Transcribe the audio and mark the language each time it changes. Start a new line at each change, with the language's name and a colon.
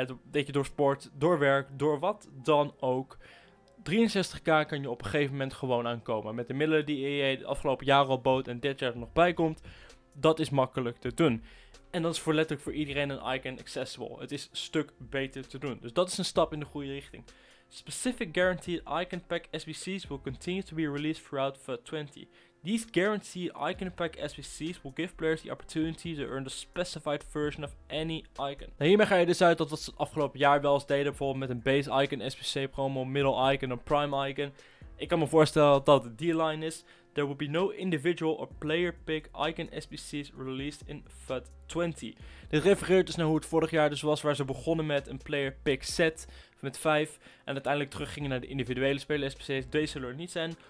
Dutch: Dat je door sport, door werk, door wat dan ook. 63k kan je op een gegeven moment gewoon aankomen. Met de middelen die je de afgelopen jaren al bood en dit jaar er nog bij komt. Dat is makkelijk te doen. En dat is voor letterlijk voor iedereen een icon accessible. Het is een stuk beter te doen. Dus dat is een stap in de goede richting.
English: Specific guaranteed icon pack SBC's will continue to be released throughout FUT20. These guaranteed icon pack SBC's will give players the opportunity to earn the specified version of any icon.
Dutch: Nou, hiermee ga je dus uit dat wat ze het afgelopen jaar wel eens deden, bijvoorbeeld met een base icon, SBC promo, middle icon, een prime icon. Ik kan me voorstellen dat dat die line is.
English: There will be no individual or player pick icon SBC's released in FUT20.
Dutch: Dit refereert dus naar hoe het vorig jaar dus was, waar ze begonnen met een player pick set met 5 en uiteindelijk teruggingen naar de individuele speler SBC's. Deze zullen er niet zijn.